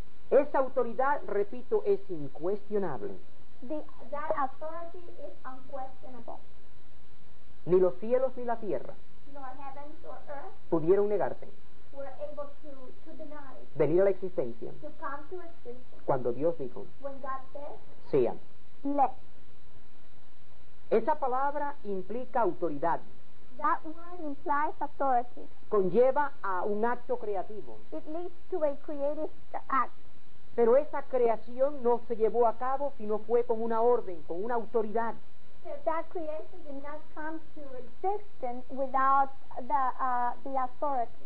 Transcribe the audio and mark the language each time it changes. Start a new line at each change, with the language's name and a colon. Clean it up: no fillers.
Spanish: Esa autoridad, repito, es incuestionable.
English: That authority is unquestionable.
Spanish: Ni los cielos ni la tierra.
English: Nor heavens or earth
Spanish: pudieron negarse,
English: were able to deny,
Spanish: venir a la existencia,
English: to come to existence,
Spanish: cuando Dios dijo,
English: when God said,
Spanish: sea,
English: let.
Spanish: Esa palabra implica autoridad,
English: That word implies authority.
Spanish: Conlleva a un acto creativo.
English: It leads to a creative act.
Spanish: Pero esa creación no se llevó a cabo, sino fue con una orden, con una autoridad.
English: That creation did not come to existence without the authority.